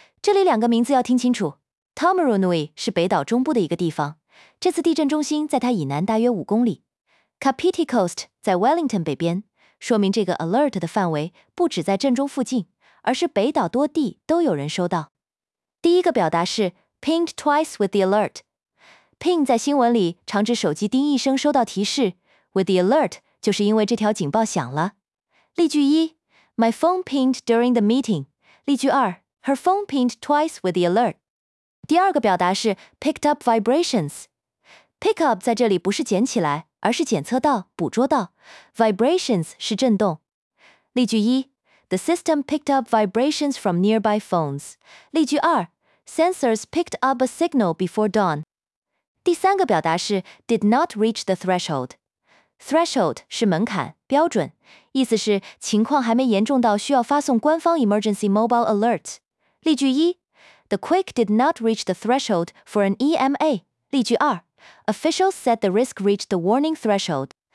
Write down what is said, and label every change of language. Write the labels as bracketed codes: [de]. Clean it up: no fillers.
[zh] 这里两个名字要听清楚， Tomarunui 是北岛中部的一个地方，这次地震中心在它以南大约5公里。 Kapiti Coast 在 Wellington 北边，说明这个 alert 的范围不只在震中附近，而是北岛多地都有人收到。第一个表达是 pinged twice with the alert。 ping 在新闻里常指手机叮一声收到提示， with the alert 就是因为这条警报响了。 [en] 例句一， My phone pinged during the meeting。例句二， Her phone pinged twice with the alert。 [zh] 第二个表达是 picked up vibrations。 pick up 在这里不是捡起来，而是检测到、捕捉到， vibrations 是震动。 [en] 例句一， The system picked up vibrations from nearby phones。例句二， Sensors picked up a signal before dawn。 [zh] 第三个表达是 did not reach the threshold。 Threshold 是门槛、标准，意思是情况还没严重到需要发送官方 emergency mobile alert。 [en] 例句一， The quake did not reach the threshold for an EMA。例句二， Officials said the risk reached the warning threshold。